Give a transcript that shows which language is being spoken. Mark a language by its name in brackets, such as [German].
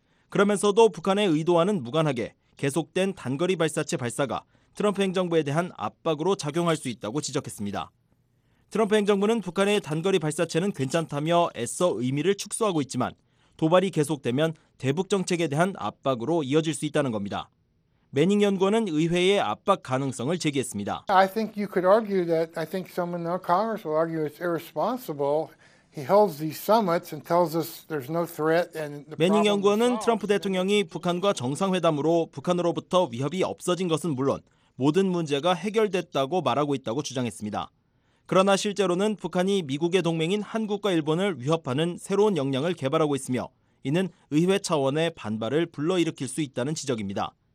[Korean] 그러면서도 북한의 의도와는 무관하게 계속된 단거리 발사체 발사가 트럼프 행정부에 대한 압박으로 작용할 수 있다고 지적했습니다. 트럼프 행정부는 북한의 단거리 발사체는 괜찮다며 애써 의미를 축소하고 있지만 도발이 계속되면 대북 정책에 대한 압박으로 이어질 수 있다는 겁니다. 매닝 연구원은 의회의 압박 가능성을 제기했습니다. [English] I think you could argue that I think someone in the Congress will argue it's irresponsible. He holds these summits and tells us there's no threat and the [Korean] 매닝 연구원은 트럼프 대통령이 북한과 정상회담으로 북한으로부터 위협이 없어진 것은 물론 모든 문제가 해결됐다고 말하고 있다고 주장했습니다. 그러나 실제로는 북한이 미국의 동맹인 한국과 일본을 위협하는 새로운 역량을 개발하고 있으며 이는 의회 차원의 반발을 불러일으킬 수 있다는 지적입니다.